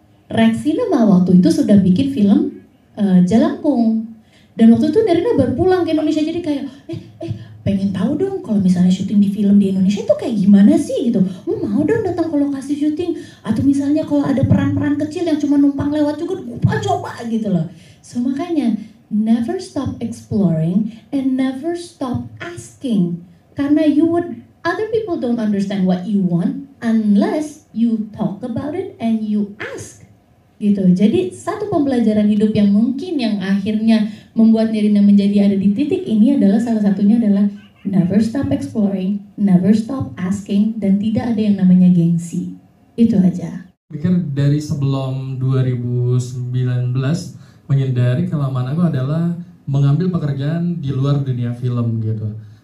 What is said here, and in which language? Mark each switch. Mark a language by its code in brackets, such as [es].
[id] Rex Cinema waktu itu sudah bikin film Jelangkung. Dan waktu itu Nirina baru pulang ke Indonesia, jadi kayak pengen tahu dong kalau misalnya syuting di film di Indonesia itu kayak gimana sih gitu. Mau dong datang ke lokasi syuting, atau misalnya kalau ada peran-peran kecil yang cuma numpang lewat juga, gua coba gitu loh. [en] So makanya never stop exploring and never stop asking. Karena other people don't understand what you want unless you talk about it and you ask. [id] Gitu. Jadi satu pembelajaran hidup yang mungkin yang akhirnya membuat Nirina menjadi ada di titik ini adalah salah satunya adalah [en] never stop exploring, never stop asking, [id] dan tidak ada yang namanya gengsi. Itu aja. Pikir dari sebelum 2019 menyadari kelemahan aku adalah mengambil pekerjaan di luar dunia film gitu.